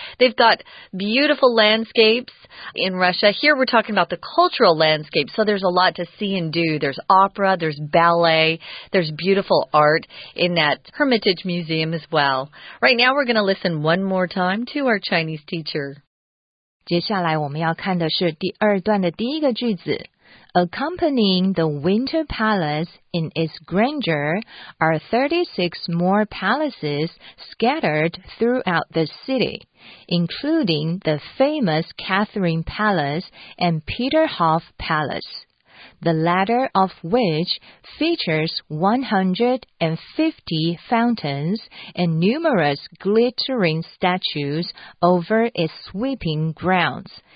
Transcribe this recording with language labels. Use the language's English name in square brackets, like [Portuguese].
[English] They've got beautiful landscapes in Russia. Here we're talking about the cultural landscape. So there's a lot to see and do. There's opera, there's ballet, there's beautiful art in that Hermitage Museum as well. Right now we're going to listen one more time to our Chinese teacher. [Chinese] 接下来我们要看的是第二段的第一个句子。 [English] Accompanying the Winter Palace in its grandeur are 36 more palaces scattered throughout the city, including the famous Catherine Palace and Peterhof Palace, the latter of which features 150 fountains and numerous glittering statues over its sweeping grounds.